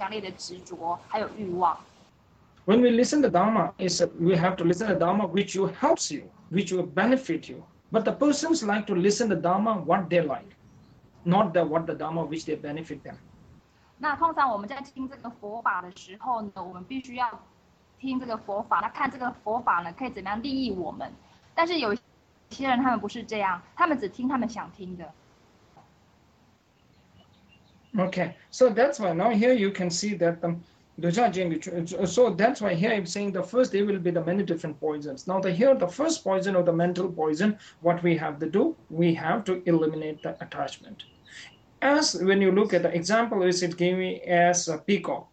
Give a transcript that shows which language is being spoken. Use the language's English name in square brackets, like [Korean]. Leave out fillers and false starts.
[Chinese] 那因为人呢会有很强烈的执着，还有强烈的欲望，所以在听法的时候，会只想听他们想听的法，他们就会不想听的法。那会这样的原因，就是因为有强烈的执着，还有欲望。 [English] When we listen to Dharma, is we have to listen to Dharma which you helps you, which will benefit you. But the persons like to listen to Dharma what they like, not the what the Dharma which they benefit them. [Chinese] 那通常我们在听这个佛法的时候呢，我们必须要听这个佛法，那看这个佛法呢可以怎么样利益我们。但是有些人他们不是这样，他们只听他们想听的。 [English] Okay, so that's why now here you can see that the. So that's why here I'm saying the first day will be the many different poisons. Now here the first poison or the mental poison, what we have to do, we have to eliminate the attachment. As when you look at the example, is it gave me as a peacock.